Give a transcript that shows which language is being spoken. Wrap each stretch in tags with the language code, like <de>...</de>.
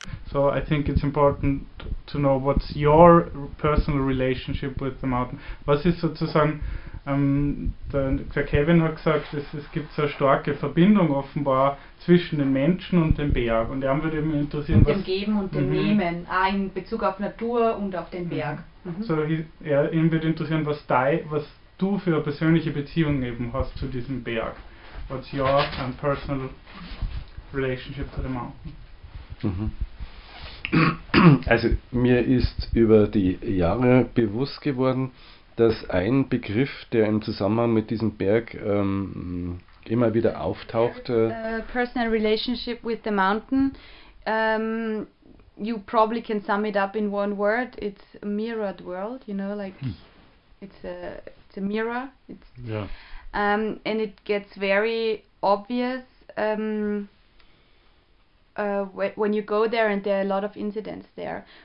<en>So I think it's important to know what's your personal relationship with the mountain.</en> <de>Was ist sozusagen, der Kevin hat gesagt, es gibt so eine starke Verbindung offenbar zwischen den Menschen und dem Berg. Und er würde eben interessieren, und was... dem Geben und dem Nehmen, auch in Bezug auf Natur und auf den Berg. So ihn würde interessieren, was du für eine persönliche Beziehung eben hast zu diesem Berg.</de> <en>What's your personal relationship to the mountain? Mhm.</en> <de>Also mir ist über die Jahre bewusst geworden, dass ein Begriff, der im Zusammenhang mit diesem Berg immer wieder auftaucht.</de> <en>Personal relationship with the mountain, you probably can sum it up in one word, it's a mirrored world, you know, like it's a mirror. It's and it gets very obvious. When you go there, and there are a lot of incidents there.</en>